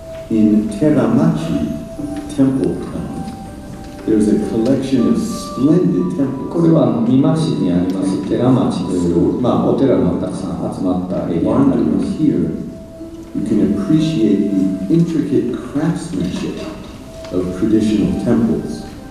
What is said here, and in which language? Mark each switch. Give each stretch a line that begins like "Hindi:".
English: In Teramachi Temple Town, there's a collection of splendid temples.
Japanese: これは美馬市にあります寺町という、まあ、お寺がたくさん集まったエリアになります。
English: Here, you can appreciate the intricate craftsmanship of traditional temples.